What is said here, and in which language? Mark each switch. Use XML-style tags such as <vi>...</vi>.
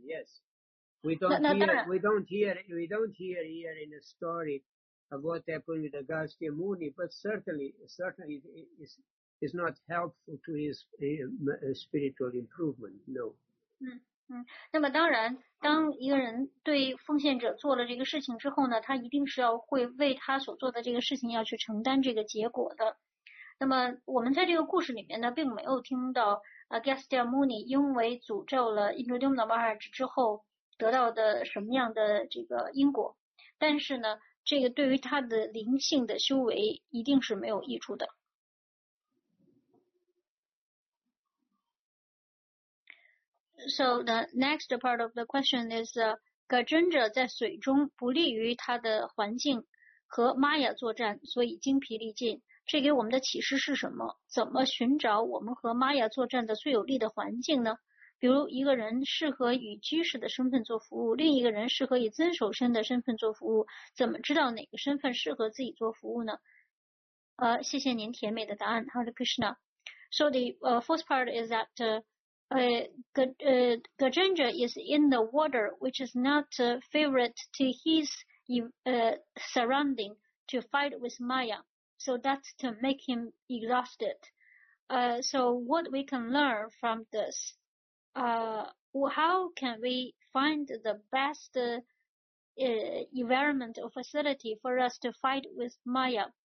<en>Yes, we don't hear here in the story of what happened with Agastya Muni, but certainly it is not helpful to his spiritual improvement. No.</en> <zh>那么当然，当一个人对奉献者做了这个事情之后呢，他一定是要会为他所做的这个事情要去承担这个结果的。那么我们在这个故事里面呢并没有听到 Agastya Muni 因为诅咒了 Indradyumna Maharaj 之后得到的什么样的这个因果，但是呢这个对于他的灵性的修为一定是没有益处的。</zh> <en>So the next part of the question is</en> <zh>Gajendra 在水中不利于他的环境和 Maya 作战，所以精疲力尽，这给我们的启示是什么？怎么寻找我们和玛雅作战的最有利的环境呢？比如一个人适合以居士的身份做服务，另一个人适合以遵守身的身份做服务，怎么知道哪个身份适合自己做服务呢？谢谢您甜美的答案 Hare Krishna.</zh> <en>So the first part is that Gajendra is in the water which is not favorite to his surrounding to fight with Maya. So that's to make him exhausted. So what we can learn from this, how can we find the best environment or facility for us to fight with Maya?</en>